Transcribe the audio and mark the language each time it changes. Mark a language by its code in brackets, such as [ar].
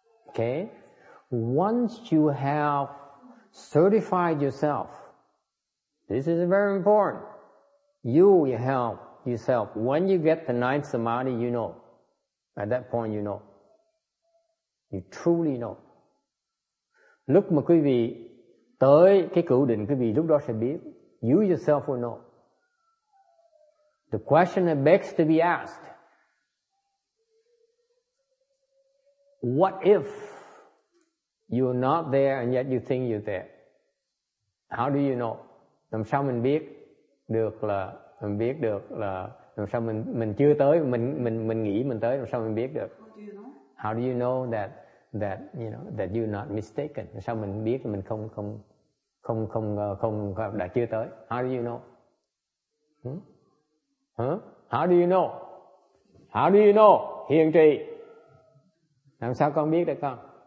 [en] Okay. Once you have certified yourself, this is very important. You help yourself. When you get the ninth samadhi, you know. At that point, you know. You truly know. [vi] Lúc mà quý vị tới cái cửu định, quý vị lúc đó sẽ biết. [en] You yourself will know. The question that begs to be asked, what if you're not there and yet you think you're there? How do you know? [vi] Làm sao mình biết được là mình biết được là làm sao mình chưa tới mình nghĩ mình tới, làm sao mình biết được? [en] How do you know that you know that you're not mistaken? [vi] Làm sao mình biết mình không đã chưa tới? [en] How do you know? How do you know? How do you know, [vi] Hiền Trì? Làm sao con biết được con?